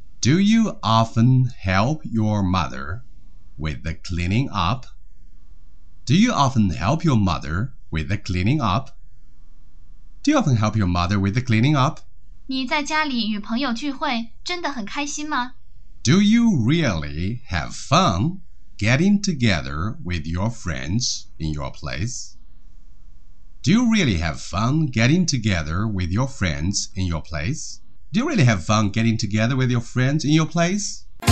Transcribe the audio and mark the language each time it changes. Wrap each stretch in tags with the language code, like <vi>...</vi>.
<en>Do you often help your mother with the cleaning up? Do you often help your mother with the cleaning up? Do you often help your mother with the cleaning up?</en> <zh>你在家里与朋友聚会真的很开心吗？</zh> <en>Do you really have fun getting together with your friends in your place? Do you really have fun getting together with your friends in your place? Do you really have fun getting together with your friends in your place?</en>